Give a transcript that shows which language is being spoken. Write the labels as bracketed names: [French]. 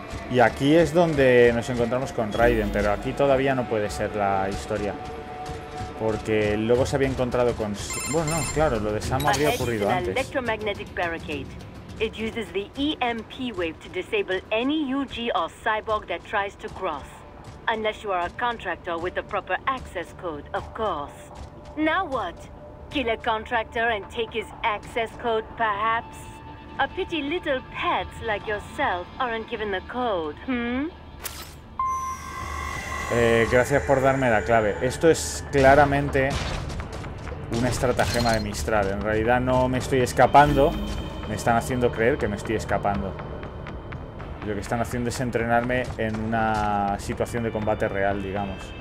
[Spanish] Y aquí es donde nos encontramos con Raiden, pero aquí todavía no puede ser la historia. Porque el lobo se había encontrado con... Bueno, no, claro, lo de Sam habría ocurrido antes. [English] Un electromagnetic barricade. It uses the EMP wave to disable any UG or cyborg that tries to cross. Unless you are a contractor with the proper access code, of course. Now what? Kill a contractor and take his access code, perhaps? A pity little pets like yourself aren't given the code, hmm? [Spanish] Gracias por darme la clave. Esto es claramente un estratagema de Mistral. En realidad no me estoy escapando. Me están haciendo creer que me estoy escapando. Lo que están haciendo es entrenarme en una situación de combate real, digamos.